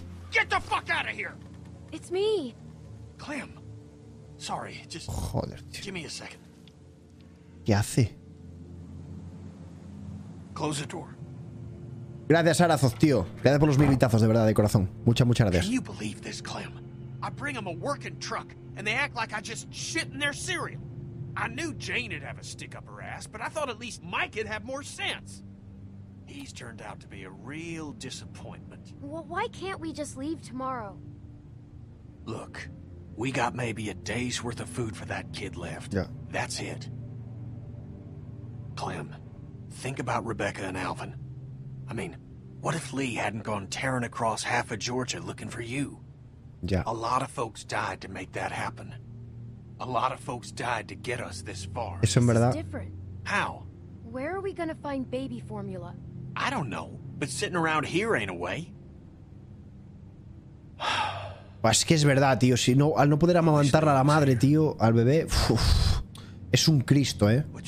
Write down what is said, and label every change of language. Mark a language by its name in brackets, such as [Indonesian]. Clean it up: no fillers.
[English] Get the fuck out of here. It's me. Clem. Sorry, just... [Spanish] Joder, tío. [English] Give me a second. [Spanish] ¿Qué hace? [English] Close the door. [Spanish] Gracias, Arazoz, tío. Gracias por los militazos, de verdad, de corazón. Muchas gracias. [English] Can you believe this, Clem? I bring them a working truck and they act like I just shit in their cereal. I knew Jane would have a stick up her ass, but I thought at least Mike would have more sense. He's turned out to be a real disappointment. Well, why can't we just leave tomorrow? Look, we got maybe a day's worth of food for that kid left. Yeah. That's it. Clem, think about Rebecca and Alvin. I mean, what if Lee hadn't gone tearing across half of Georgia looking for you? Yeah. A lot of folks died to make that happen. A lot of folks died to get us this far. [Spanish] Eso en verdad. [English] This is different. How? Where are we gonna find baby formula? I don't know, but sitting around here ain't a way. [Spanish] Es que es verdad, tío. Si no, al no poder amamantar a la madre, tío, al bebé, uf, es un Cristo, ¿eh?